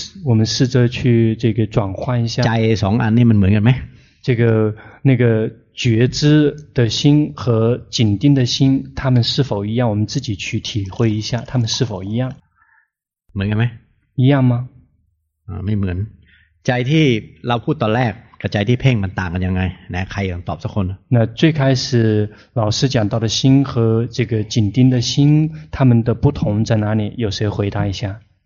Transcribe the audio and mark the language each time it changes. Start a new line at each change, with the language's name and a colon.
Chinese: 我们试着去这个转换一下
Thai: ใจ2อันนี้มันเหมือนกันมั้ย
Chinese: 这个那个觉知的心和紧盯的心他们是否一样我们自己去体会一下他们是否一样
Thai: เหมือนกันมั้ย
Chinese: 一样吗
Thai: ไม่เหมือนใจที่เราพูดตอนแรกกับใจที่เพ่งมันต่างกันยังไงไหนใครอยากตอบสักคน
Chinese: 那最开始老师讲到的心和这个紧盯的心他们的不同在哪里有谁回答一下